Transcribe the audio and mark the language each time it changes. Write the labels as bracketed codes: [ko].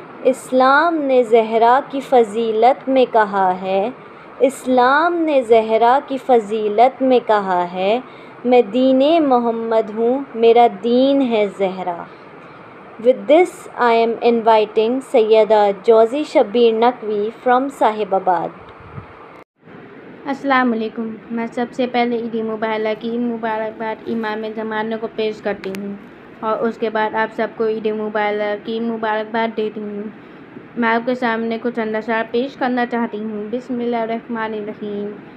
[hi] इस्लाम ने ज़हरा की फ़ज़ीलत में कहा है, इस्लाम ने ज़हरा की फ़ज़ीलत में कहा है, मैं दीने मोहम्मद हूँ, मेरा दीन है Zahra. [en] With this, I am inviting Sayyida Jozi Shabbir Naqvi from Sahibabad. [ar] Assalamu alaikum. [hi] मैं सबसे पहले ईद मुबारक की मुबारकबाद इमाम ज़माने को पेश करती हूँ और उसके बाद आप सबको ईद मुबारक की मुबारकबाद देती हूँ। मैं आपके सामने कुछ अंदाज़ पेश करना चाहती हूँ। बिस्मिल्लाहिर्रहमानिर्रहीम।